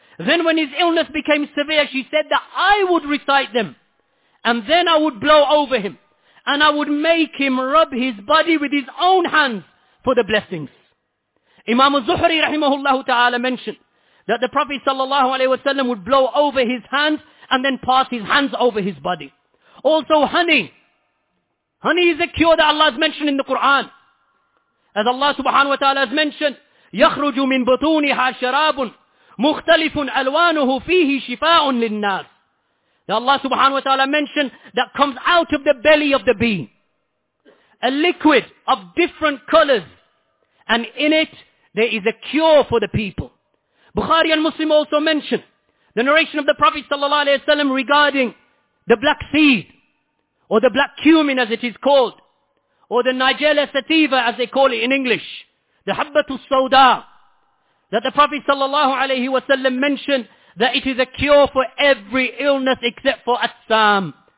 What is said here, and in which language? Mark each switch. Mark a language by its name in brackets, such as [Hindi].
[English] Then when his illness became severe, she said that I would recite them, and then I would blow over him, and I would make him rub his body with his own hands for the blessings. Imam Zuhri rahimahullah ta'ala mentioned that the Prophet sallallahu alayhi wasallam would blow over his hands and then pass his hands over his body. Also honey. Honey is a cure that Allah has mentioned in the Quran. As Allah subhanahu wa ta'ala has mentioned, [Arabic] يَخْرُجُ مِن بُطُونِهَا شَرَابٌ مُخْتَلِفٌ أَلْوَانُهُ فِيهِ شِفَاءٌ لِلنَّاسِ. [English] Allah subhanahu wa ta'ala mentioned that comes out of the belly of the bee. A liquid of different colors. And in it, there is a cure for the people. Bukhari and Muslim also mention the narration of the Prophet sallallahu alayhi wa sallam regarding the black seed, or the black cumin as it is called, or the Nigella sativa as they call it in English, the Habbatu Sauda, that the Prophet sallallahu alayhi wa sallam mentioned that it is a cure for every illness except for Assam.